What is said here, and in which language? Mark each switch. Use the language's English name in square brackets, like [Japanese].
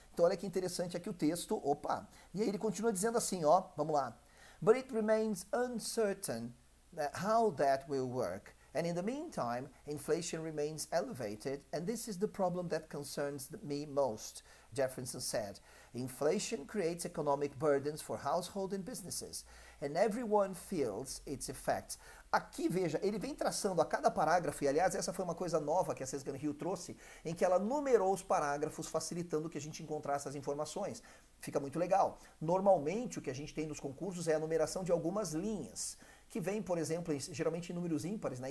[Portuguese] Então olha que interessante aqui o texto, opa. E aí ele continua dizendo assim, ó, vamos lá. [English] But it remains uncertain how that will work. And in the meantime, inflation remains elevated, and this is the problem that concerns me most, Jefferson said. Inflation creates economic burdens for households and businesses, and everyone feels its effects. [Portuguese] Aqui, veja, ele vem traçando a cada parágrafo, e aliás, essa foi uma coisa nova que a Cesgan Hill trouxe, em que ela numerou os parágrafos, facilitando que a gente encontrasse as informações. Fica muito legal. Normalmente, o que a gente tem nos concursos é a numeração de algumas linhas, que vem, por exemplo, geralmente em números ímpares, né?